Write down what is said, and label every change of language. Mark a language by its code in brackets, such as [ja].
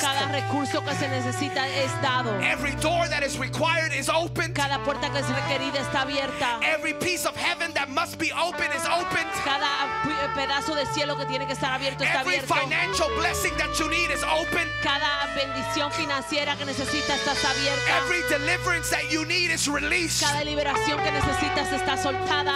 [es] Cada recurso que se necesita es dado. [en] Every door that is required is open. [es] Cada puerta que es requerida está abierta. [en] Every piece of heaven that must be open is open. [es] Cada pedazo de cielo que tiene que estar abierto está abierto. [en] Every financial blessing that you need is open. [es] Cada bendición financiera que necesitas está abierta. [en] Every deliverance that you need is released. [es] Cada liberación que necesitas está soltada.